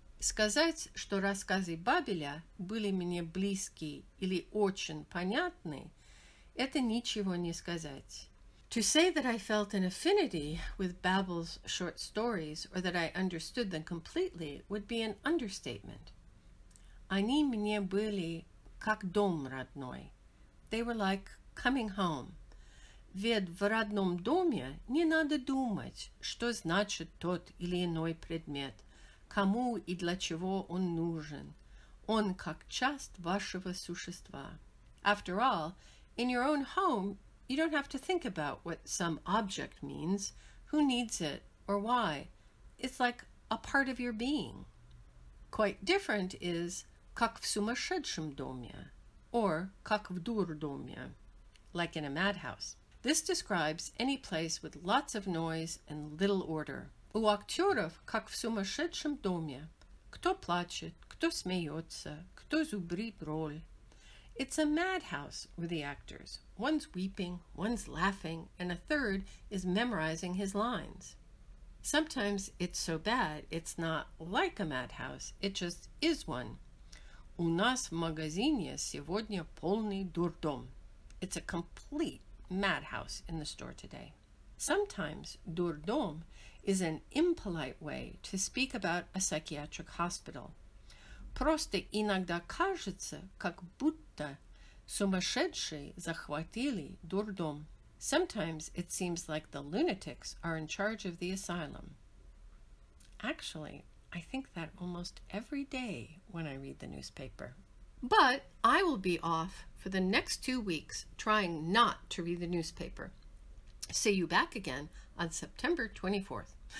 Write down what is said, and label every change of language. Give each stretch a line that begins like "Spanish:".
Russian: Сказать, что рассказы Бабеля были мне близки или очень понятны, это ничего не сказать.
English: To say that I felt an affinity with Babel's short stories or that I understood them completely would be an understatement.
Russian: Они мне были как дом родной.
English: They were like coming home.
Russian: Ведь в родном доме не надо думать, что значит тот или иной предмет. Кому и для чего он нужен? Он как часть вашего существа.
English: After all, in your own home, you don't have to think about what some object means, who needs it, or why. It's like a part of your being. Quite different is
Russian: как в сумасшедшем доме,
English: or
Russian: как в дурдоме,
English: like in a madhouse. This describes any place with lots of noise and little order.
Russian: У актеров, как в сумасшедшем доме. Кто плачет, кто смеется, кто зубрит роль.
English: It's a madhouse with the actors. One's weeping, one's laughing, and a third is memorizing his lines. Sometimes it's so bad, it's not like a madhouse, it just is one.
Russian: У нас в магазине сегодня полный дурдом.
English: It's a complete madhouse in the store today. Sometimes дурдом is an impolite way to speak about a psychiatric hospital.
Russian: Просто иногда кажется, как будто сумасшедшие захватили дурдом.
English: Sometimes it seems like the lunatics are in charge of the asylum. Actually, I think that almost every day when I read the newspaper. But I will be off for the next 2 weeks trying not to read the newspaper. See you back again on September 24th.